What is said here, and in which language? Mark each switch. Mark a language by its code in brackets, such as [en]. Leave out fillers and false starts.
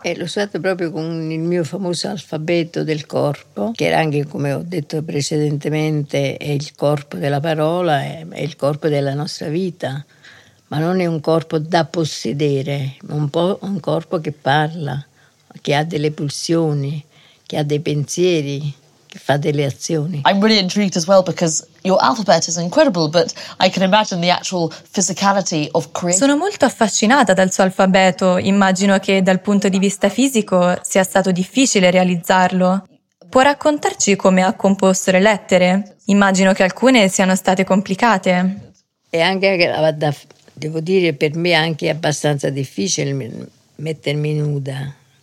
[it] L'ho usato proprio con il mio famoso alfabeto del corpo, che era anche, come ho detto precedentemente, è il corpo della parola, è il corpo della nostra vita, ma non è un corpo da possedere, ma un po' un corpo che parla, che ha delle pulsioni, che ha dei pensieri, che fa delle azioni. [en] I'm really intrigued as well because your alphabet is incredible, but I can imagine the actual physicality of creating. [it] Sono molto affascinata dal suo alfabeto. Immagino che dal punto di vista fisico sia stato difficile realizzarlo. Può raccontarci come ha composto le lettere? Immagino che alcune siano state complicate. E anche devo dire, per me anche è abbastanza difficile mettermi nuda.